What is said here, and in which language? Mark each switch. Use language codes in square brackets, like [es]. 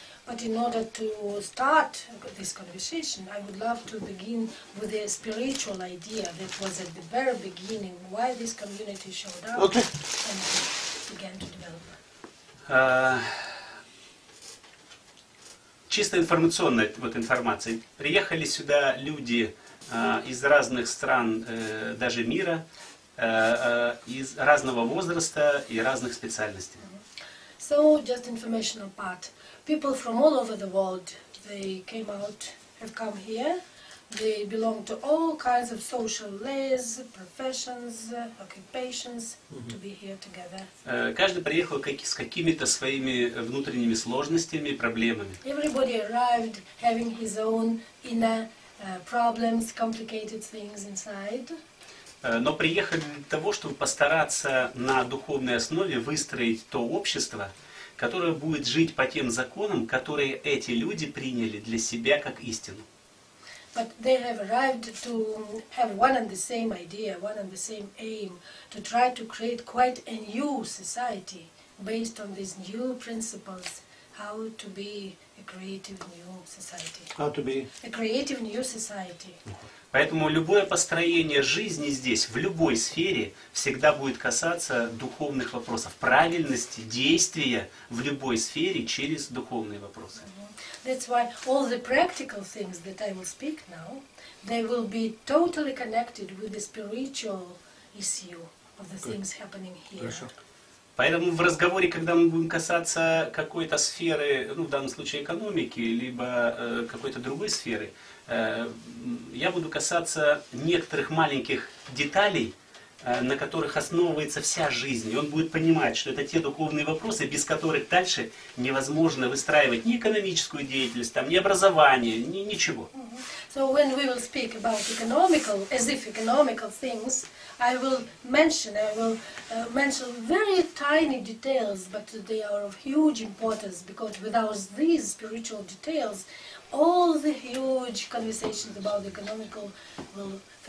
[en] But in order to start this conversation, I would love to begin with a spiritual idea that was at the very beginning, why this community showed up and began to develop. [ru] Чисто информационная вот информация. Приехали сюда люди из разных стран, даже мира, из разного возраста и разных специальностей. [en] So, just informational part. People from all over the world, they came out, have come here. They belong to all kinds of social layers, professions, occupations, to be here together. [ru] Каждый приехал с какими-то своими внутренними сложностями, проблемами. [en] Everybody arrived having his own inner problems, complicated things inside. [ru] Но приехали для того, чтобы постараться на духовной основе выстроить то общество, которая будет жить по тем законам, которые эти люди приняли для себя как истину. [en] But they have arrived to have one and the same idea, one and the same aim, to try to create quite a new society based on these new principles, how to be a creative new society. How to be? A creative new society. [ru] Поэтому любое построение жизни здесь, в любой сфере, всегда будет касаться духовных вопросов, правильности действия в любой сфере через духовные вопросы. [en] That's why all the practical things that I will speak now, they will be totally connected with the spiritual issue of the things happening here. [ru] Хорошо. Поэтому в разговоре, когда мы будем касаться какой-то сферы, ну в данном случае экономики, либо какой-то другой сферы, я буду касаться некоторых маленьких деталей, на которых основывается вся жизнь. И он будет понимать, что это те духовные вопросы, без которых дальше невозможно выстраивать ни экономическую деятельность, там, ни образование, ни, ничего. [en] So when we will speak about economical, as if economical things, I will mention very tiny details, but they are of huge importance, because without these spiritual details, all the huge conversations about the economical will